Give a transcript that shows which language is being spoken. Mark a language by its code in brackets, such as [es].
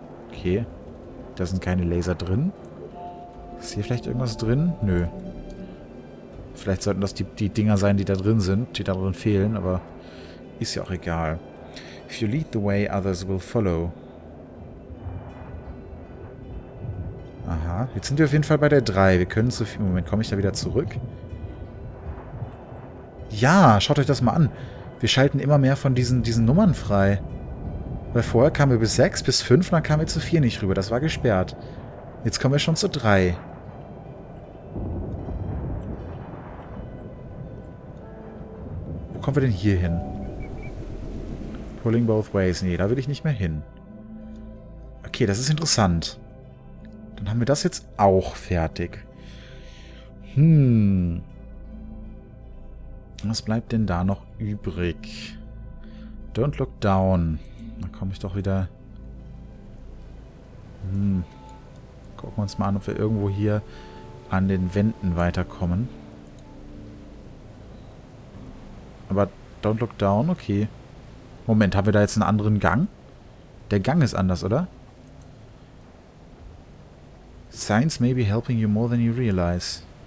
[de] Okay. Da sind keine Laser drin. Ist hier vielleicht irgendwas drin? Nö. Vielleicht sollten das die Dinger sein, die da drin sind, die da drin fehlen, aber ist ja auch egal. [en] If you lead the way, others will follow. [de] Aha, jetzt sind wir auf jeden Fall bei der 3. Wir können zu viel... Moment, komme ich da wieder zurück? Ja, schaut euch das mal an. Wir schalten immer mehr von diesen Nummern frei. Weil vorher kamen wir bis 6, bis 5 und dann kamen wir zu 4 nicht rüber. Das war gesperrt. Jetzt kommen wir schon zu 3. Kommen wir denn hier hin? [en] Pulling both ways. [de] Nee, da will ich nicht mehr hin. Okay, das ist interessant. Dann haben wir das jetzt auch fertig. Was bleibt denn da noch übrig? [en] Don't look down. [de] Da komme ich doch wieder. Gucken wir uns mal an, ob wir irgendwo hier an den Wänden weiterkommen. Aber [en] don't look down, [de] okay. Moment, haben wir da jetzt einen anderen Gang? Der Gang ist anders, oder? [en] Science may be helping you more than you realize.